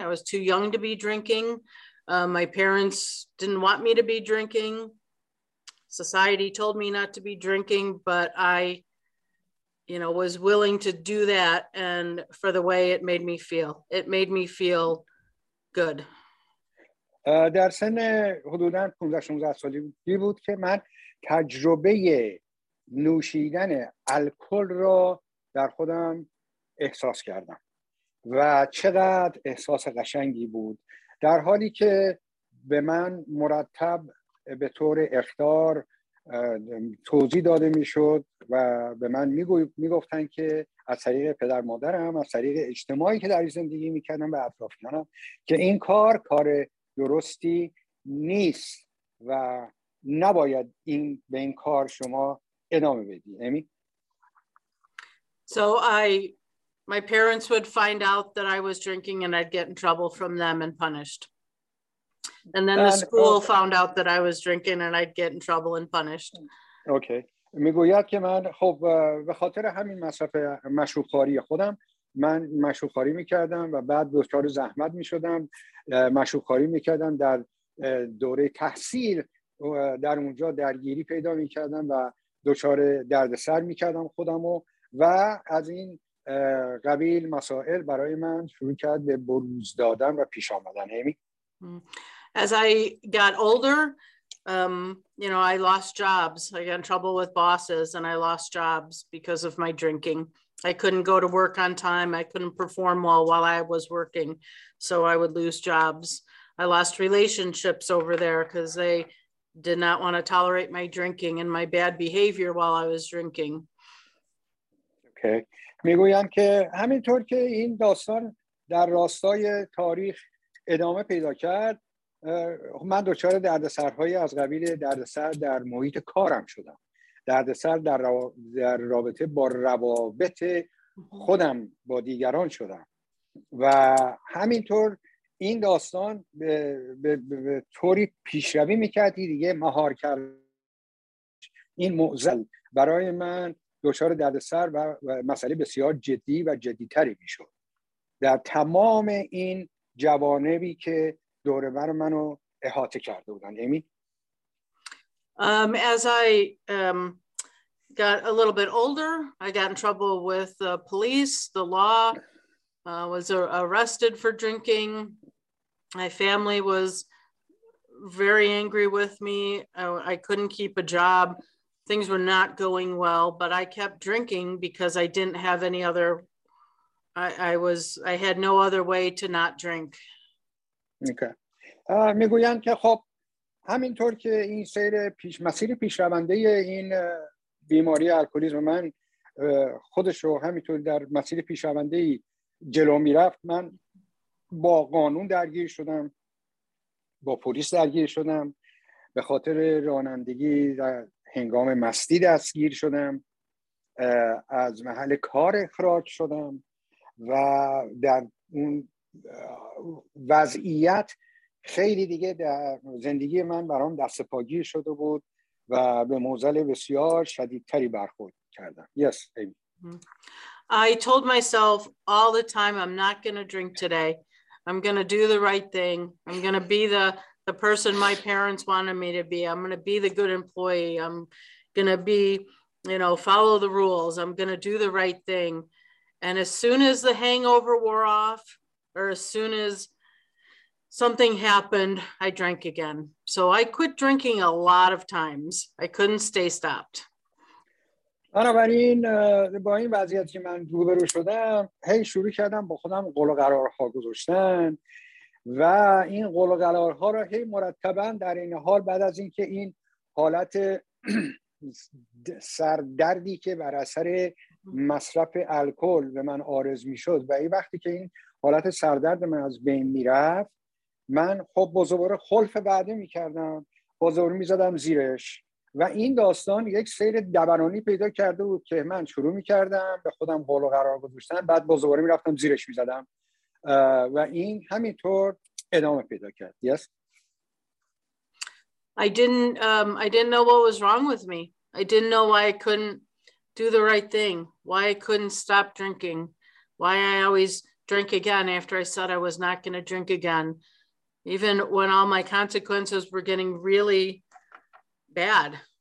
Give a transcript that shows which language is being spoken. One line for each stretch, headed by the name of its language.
English: I was too young to be drinking. My parents didn't want me to be drinking. Society told me not to be drinking, but I, you know, was willing to do that. And for the way it made me feel good.
Persian: در سن حدوداً 15-16 سالی بود که من تجربه نوشیدن الکل را در خودم احساس کردم و چقدر احساس قشنگی بود، در حالی که به من مرتب به طور اخطار توضیح داده میشد و به من میگفتن که از طریق پدر مادرم، از طریق اجتماعی که در زندگی میکردم و اطرافیانم که این کار درستی نیست و نباید این به این کار شما ادامه بدی. امی؟
English: So my parents would find out that I was drinking and I'd get in trouble from them and punished. And then the school found out that I was drinking and I'd get in trouble and punished. Okay.
Persian: میگوید که من خب به خاطر همین مصرف مشروب‌خواری خودم، من مشروب‌خواری میکردم و بعد دچار زحمت میشدم. مشروب‌خواری میکردم در دوره تحصیل، در اونجا درگیری پیدا میکردم و دچار دردسر میکردم خودمو و از این قبیل مسائل برای من شروع کرد به بروز دادن و پیش آمدن. همین.
English: As I got older, you know, I lost jobs. I got in trouble with bosses and I lost jobs because of my drinking. I couldn't go to work on time. I couldn't perform well while I was working. So I would lose jobs. I lost relationships over there because they did not want to tolerate my drinking and my bad behavior while I was drinking. Okay.
Persian: میگویم که همینطور که این داستان در راستای تاریخ ادامه پیدا کرد، من دچار دردسرهایی از قبیل دردسر در محیط کارم شدم، دردسر در رابطه با روابط خودم با دیگران شدم و همینطور این داستان به طوری پیشروی میکردی دیگه مهار کرد این معضل برای من دچار دردسر و مسئله بسیار جدی و جدیتری میشد در تمام این جوانبی که دوربر منو احاطه کرده بودن. امی؟
English: As I got a little bit older, I got in trouble with the police, the law, was arrested for drinking. My family was very angry with me. I couldn't keep a job. Things were not going well, but I kept drinking because I didn't have any other, I had no other way to not drink. Okay.
Persian: میگویند که خب همینطور که این سیر پیش مسیر پیشرونده این بیماری الکلیسم من خودش رو همینطور در مسیر پیشرونده جلو میرفت، من با قانون درگیر شدم، با پلیس درگیر شدم، به خاطر رانندگی در هنگام مستی دستگیر شدم، از محل کار اخراج شدم و در اون وضعیت خیلی دیگه در زندگی من برام دست پاگیر شده بود و به موزل بسیار شدیدتری برخورد کردم.
English: Yes, Amy. I told myself all the time, I'm not going to drink today. I'm going to do the right thing. I'm going to be the person my parents wanted me to be. I'm going to be the good employee. I'm going to be, you know, follow the rules. I'm going to do the right thing. And as soon as the hangover wore off, or as soon as something happened, I drank again. So I quit drinking a lot of times. I couldn't stay stopped.
Persian: بنابراین با این وضعیت که من روبرو شدم هی شروع کردم با خودم قول و قرارها گذاشتن و این قول و قرارها را هی مرتبا در این حال بعد از اینکه این حالت سردردی که بر اثر مصرف الکل به من عارض می شد و این وقتی که این حالت سردرد من از بین می رفت من خب بزرگ خلف بعده می کردم بزرگ می زدم زیرش و این داستان یک سیر دبرانی پیدا کرده بود که من شروع می کردم به خودم قول و قرار گذاشتن بعد با زباره می رفتم زیرش می زدم و این همینطور ادامه پیدا کرد.
English: Yes. I didn't know what was wrong with me. I didn't know why I couldn't do the right thing. Why I couldn't stop drinking. Why I always drink again after I said I was not going to drink again. Even when all my consequences were getting really bad.